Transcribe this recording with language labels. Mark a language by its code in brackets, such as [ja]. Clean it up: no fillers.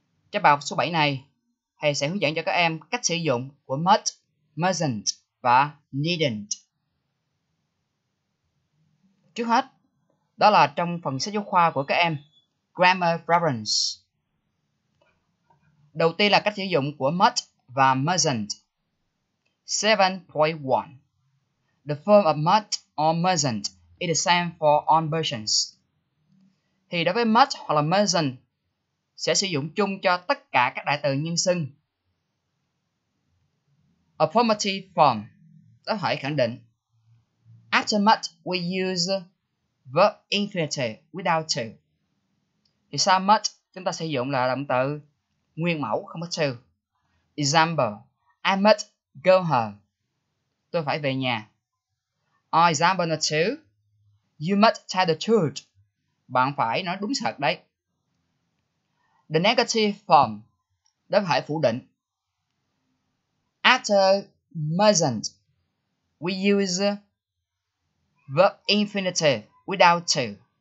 [vi] Trong bài học số 7 này, thầy sẽ hướng dẫn cho các em cách sử dụng của Must, Mustn't và Needn't. Trước hết, đó là trong phần sách giáo khoa của các em, Grammar Reference. Đầu tiên là cách sử dụng của must và mustn't. 7.1. [en] The form of must or mustn't is the same for all versions. [vi] Thì đối với must hoặc là mustn't sẽ sử dụng chung cho tất cả các đại từ nhân xưng. [en] Affirmative form, [vi] đó hỏi khẳng định. [en] After must, we use verb infinitive without to. [vi] Thì sau must, chúng ta sử dụng là động từ nguyên mẫu, không có to. [en] Example, I must go home. [vi] Tôi phải về nhà. [en] Or example number two, you must tell the truth. [vi] Bạn phải nói đúng thật đấy. [en] The negative form, [vi] đó phải phủ định. [en] After mustn't, we use verb infinitive without to.